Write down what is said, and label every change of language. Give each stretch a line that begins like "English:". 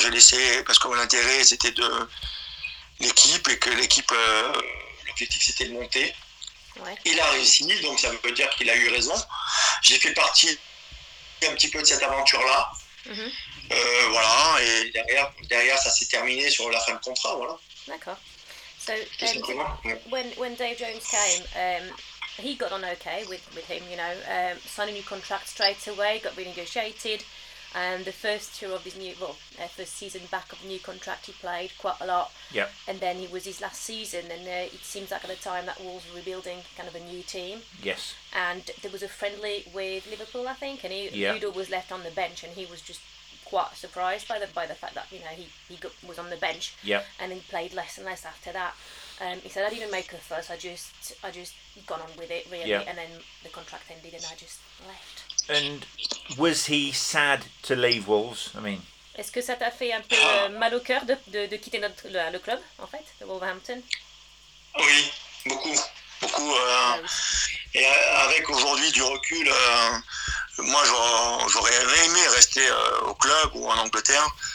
French: J'ai laissé, parce que mon intérêt, c'était de l'équipe. Et que l'équipe, l'objectif, c'était de monter. Ouais. Il a réussi, donc ça veut dire qu'il a eu raison. J'ai fait partie un petit peu de cette aventure-là. Mmh. Voilà, et derrière ça s'est terminé sur la fin de contrat, voilà. D'accord.
English: So, when Dave Jones came, he got on okay with him, you know, signed a new contract straight away, got renegotiated, and the first tour of his new, first season back of the new contract, he played quite a lot. Yeah. And then it was his last season, and it seems like at the time that Wolves were rebuilding kind of a new team. Yes. And there was a friendly with Liverpool, I think, and Ludo was left on the bench, and he was just quite surprised by the fact that, you know, he was on the bench. Yeah. And then played less and less after that. He said, I didn't even make a fuss, I just gone on with it, really. Yeah. And then the contract ended and I just left. And was he sad to leave Wolves? I mean,
French: est-ce que ça t'a fait un peu mal au cœur de quitter le club, en fait, de Wolverhampton? Oui, beaucoup, beaucoup. Et avec aujourd'hui du recul, moi j'aurais aimé rester au club ou en Angleterre.